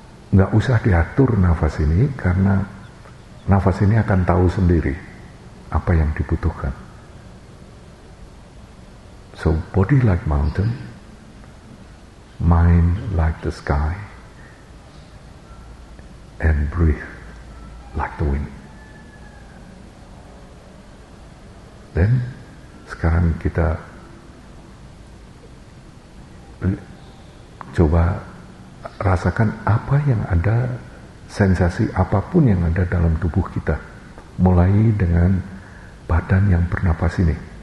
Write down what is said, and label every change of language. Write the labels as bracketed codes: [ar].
[id] Nggak usah diatur nafas ini, karena nafas ini akan tahu sendiri apa yang dibutuhkan. [en] So body like mountain, mind like the sky, and breathe like the wind. [id] Then sekarang kita coba rasakan apa yang ada, sensasi apapun yang ada dalam tubuh kita, mulai dengan badan yang bernapas ini.